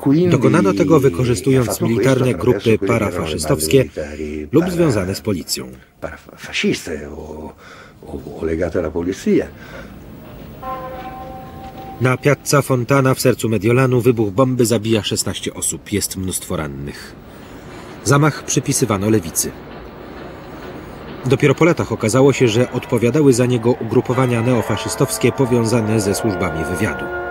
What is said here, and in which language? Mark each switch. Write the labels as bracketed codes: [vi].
[pl] Dokonano tego, wykorzystując militarne grupy parafaszystowskie lub związane z policją. [it] Fasciste o legate alla polizia. [pl] Na Piazza Fontana w sercu Mediolanu wybuch bomby zabija 16 osób. Jest mnóstwo rannych. Zamach przypisywano lewicy. Dopiero po latach okazało się, że odpowiadały za niego ugrupowania neofaszystowskie powiązane ze służbami wywiadu.